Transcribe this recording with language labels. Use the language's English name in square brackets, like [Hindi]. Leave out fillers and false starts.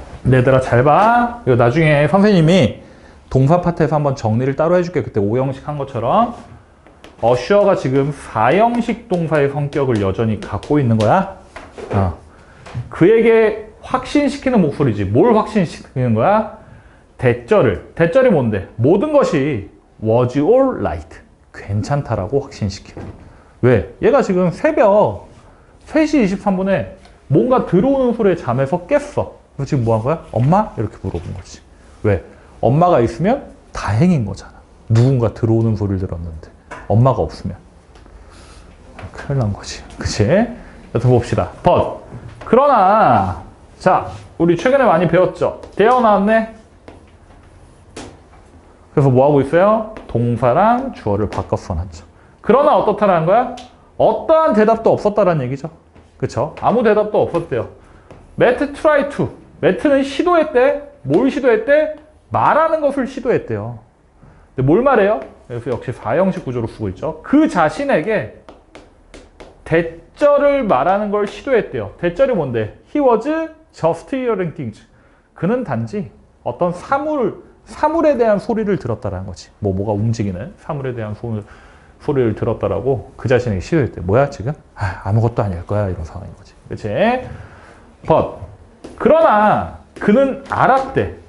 [Korean] 얘들아 잘 봐. 이거 나중에 선생님이 동사 파트에서 한번 정리를 따로 해줄게. 그때 5형식 한 것처럼 어셔가 지금 4형식 동사의 성격을 여전히 갖고 있는 거야. 그에게 확신시키는 목소리지. 뭘 확신시키는 거야? 대절을. 대절이 뭔데? 모든 것이 [English] was all right. [Korean] 괜찮다라고 확신시켜. 왜? 얘가 지금 새벽 3시 23분에 뭔가 들어오는 소리에 잠에서 깼어. 그래서 지금 뭐한 거야? 엄마? 이렇게 물어본 거지. 왜? 엄마가 있으면 다행인 거잖아. 누군가 들어오는 소리를 들었는데. 엄마가 없으면. 큰일 난 거지. 그치? 여튼 봅시다. [English] But. [Korean] 그러나, 자, 우리 최근에 많이 배웠죠? 되어놨네? 그래서 뭐 하고 있어요? 동사랑 주어를 바꿔 써놨죠. 그러나 어떻다라는 거야? 어떠한 대답도 없었다라는 얘기죠. 그쵸? 아무 대답도 없었대요. [English] Matt tried to. [Korean] Matt는 시도했대. 뭘 시도했대? 말하는 것을 시도했대요. 근데 뭘 말해요? 그래서 역시 4형식 구조로 쓰고 있죠. 그 자신에게 대절을 말하는 걸 시도했대요. 대절이 뭔데? [English] He was just hearing things. [Korean] 그는 단지 어떤 사물에 대한 소리를 들었다라는 거지. 뭐가 움직이는 사물에 대한 소리를 들었다라고 그 자신에게 시도했대. 뭐야 지금? 아무것도 아닐 거야 이런 상황인 거지. 그치? [English] But [Korean] 그러나 그는 알았대.